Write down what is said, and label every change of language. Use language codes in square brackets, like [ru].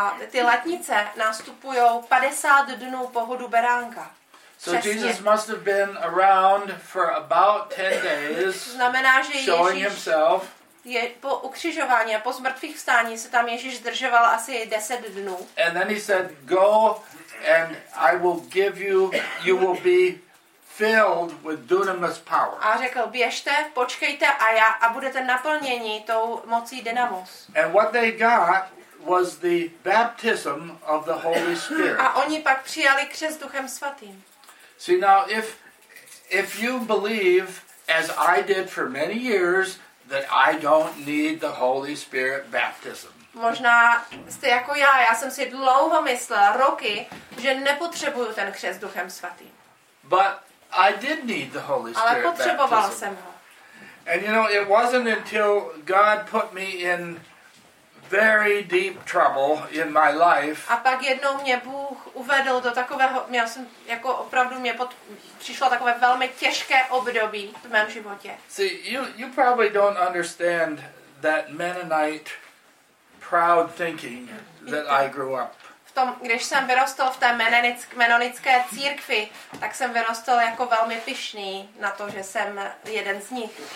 [cs] Ty letnice nastupují 50 dnů po hodu beránka. [en] So Jesus must have been around for about 10 days. [cs] Znamená, že Ježíš je po ukřižování a po zmrtvých vstání se tam Ježíš zdržoval asi 10 dnů. [en] And then he said, "Go and I will give you, you will be filled with dunamis power." [cs] A řekl, běžte, počkejte a já a budete naplněni tou mocí dynamos. [en] And what they got was the baptism of the Holy Spirit. [cs] A oni pak přijali křest Duchem svatým. [en] See, now if you believe as I did for many years that I don't need the Holy Spirit baptism. [cs] Možná jste jako já jsem si dlouho myslel roky, že nepotřebuju ten křest Duchem svatým. [en] But I did need the Holy Spirit. [cs] Ale potřeboval jsem ho. [en] And you know, it wasn't until God put me in very deep trouble in my life. [cs] A pak jednou mě Bůh uvedl do takového, měl jsem jako opravdu mě přišlo takové velmi těžké období v mém životě. [en] See, you probably don't understand that Mennonite proud thinking that I grew up. [cs] tom, když jsem vyrostl v té menonické církvi, tak jsem vyrostl jako velmi pyšný na to, že jsem jeden z nich.